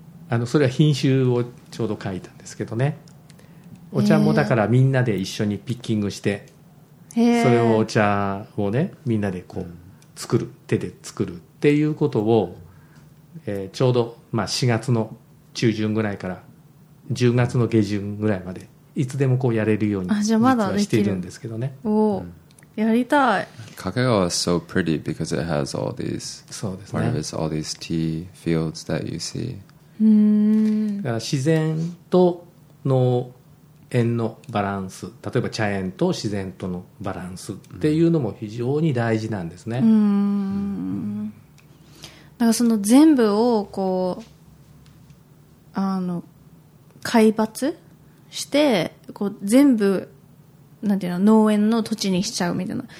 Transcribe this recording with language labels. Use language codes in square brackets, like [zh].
[ja] あのそれは品種をちょうど書いたんですけどね。お茶もだからみんなで一緒にピッキングして、それをお茶をねみんなでこう作る、手で作るっていうことを、ちょうどまあ4月の中旬ぐらいから10月の下旬ぐらいまでいつでもこうやれるように実はしているんですけどね。おお、やりたい。 [en] Kakegawa is so pretty because it has all these, [ja] そうですね、 [en] part of it's all these tea fields that you see. うーん、 [ja] だから自然と農園のバランス、例えば茶園と自然とのバランスっていうのも非常に大事なんですね。うーん、だからその全部をこう海抜してこう全部なんていうの、農園の土地にしちゃうみたいな。